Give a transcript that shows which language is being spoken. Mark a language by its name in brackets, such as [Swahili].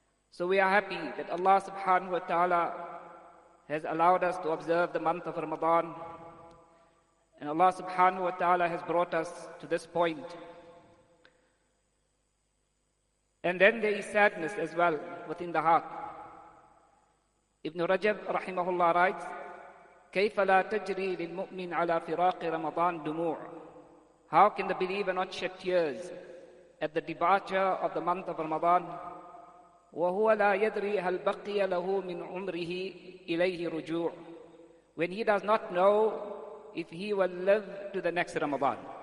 [English] So we are happy that Allah subhanahu wa ta'ala has allowed us to observe the month of Ramadan, and Allah subhanahu wa ta'ala has brought us to this point. And then there is sadness as well within the heart. Ibn Rajab rahimahullah writes, [Arabic] كَيْفَ لَا تَجْرِي لِلْمُؤْمِنِ عَلَى فِرَاقِ رَمَضَانِ دُمُوعِ. [English] How can the believer not shed tears at the departure of the month of Ramadan? [Arabic] وَهُوَ لَا يَدْرِي هَلْ بَقِيَ لَهُ مِنْ عُمْرِهِ إِلَيْهِ رُجُوعِ. [English] When he does not know if he will live to the next Ramadan.